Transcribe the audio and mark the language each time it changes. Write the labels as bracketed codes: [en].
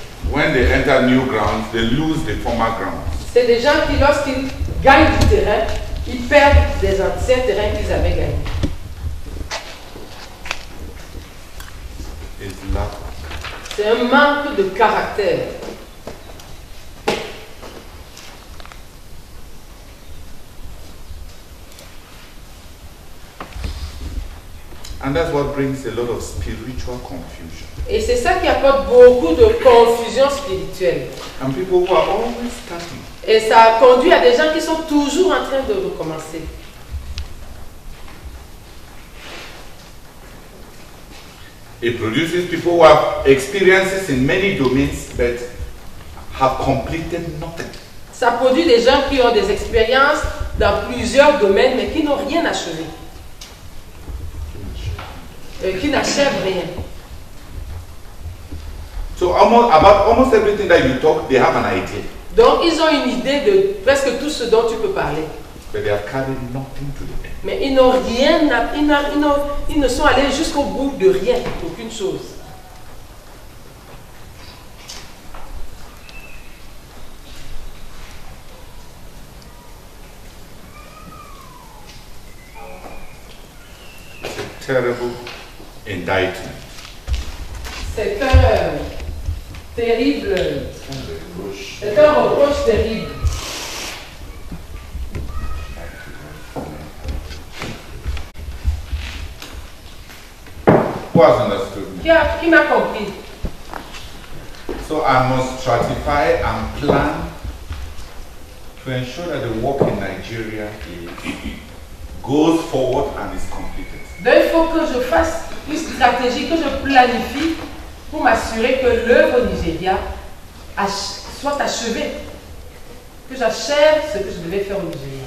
[en] When they enter new ground, they lose the former ground. [fr] C'est des gens qui, lorsqu'ils gagnent du terrain, ils perdent des anciens terrains qu'ils avaient gagnés. [en] It's lack. [fr] C'est un manque de caractère. [en] And that's what brings a lot of spiritual confusion. [fr] Et c'est ça qui apporte beaucoup de confusion spirituelle. [en] And people who are always starting. [fr] Et ça a conduit à des gens qui sont toujours en train de recommencer. [en] It produces people who have experiences in many domains but have completed nothing. [fr] Ça produit des gens qui ont des expériences dans plusieurs domaines mais qui n'ont rien achevé. Qui n'achèvent rien. [en] So almost everything that you talk, they have an idea. [fr] Donc ils ont une idée de presque tout ce dont tu peux parler. [en] But they have carried nothing to the end. [fr] Mais ils n'ont rien, ils ne sont allés jusqu'au bout de rien, aucune chose. [en] terrible indictment. [fr] C'est un terrible. C'est un reproche terrible. [en] Who has understood me? [fr] Qui m'a compris? [en] So I must stratify and plan to ensure that the work in Nigeria goes forward and is completed. [fr] Donc il faut que je fasse une stratégie, que je planifie pour m'assurer que l'œuvre Nigeria soit achevée, que j'achève ce que je devais faire au Nigeria.